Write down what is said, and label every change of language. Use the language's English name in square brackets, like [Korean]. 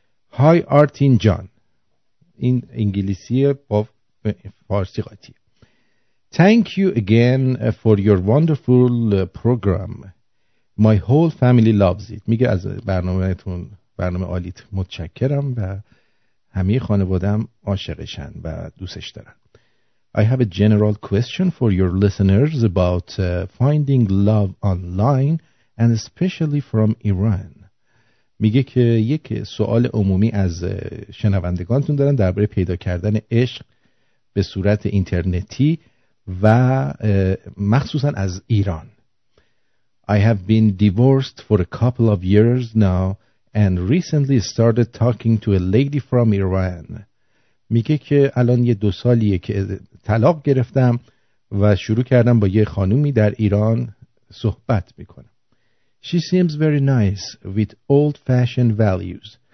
[Persian] های آرتین جان، این انگلیسی با فارسی قاطی. [English] Thank you again for your wonderful program. My whole family loves it. [Persian] میگه از برنامه‌تون، برنامه عالیت متشکرم و همه خانواده‌ام عاشقشن و دوستش دارن. [English] I have a general question for your listeners about finding love online and especially from Iran. [Persian] میگه که یک سوال عمومی از شنوندگانتون دارن درباره پیدا کردن عشق به صورت اینترنتی و مخصوصا از ایران. [English] I have been divorced for a couple of years now and recently started talking to a lady from Iran. [Persian] میگه که الان یه دو سالیه که طلاق گرفتم و شروع کردم با یه خانومی در ایران صحبت میکنم. [English] She seems very nice with old-fashioned values.